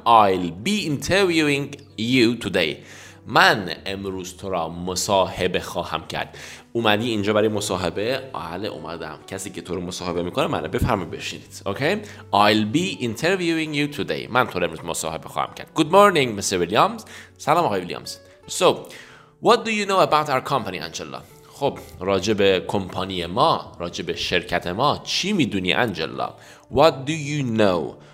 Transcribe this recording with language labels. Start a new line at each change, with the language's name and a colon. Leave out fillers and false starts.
English: I'll be interviewing you today.
Persian: من امروز تو را مصاحبه خواهم کرد. اومدی اینجا برای مصاحبه؟ بله اومدم. کسی که تو رو مصاحبه میکنه منه، بفرمایید بشینید.
English: Okay? I'll be interviewing you today.
Persian: من تو را امروز مصاحبه خواهم کرد.
English: Good morning, Mr. Williams.
Persian: سلام آقای ویلیامز.
English: So, what do you know about our company, Angela?
Persian: خب راجع به کمپانی ما، راجع به شرکت ما چی میدونی انجلا؟
English: What do you know?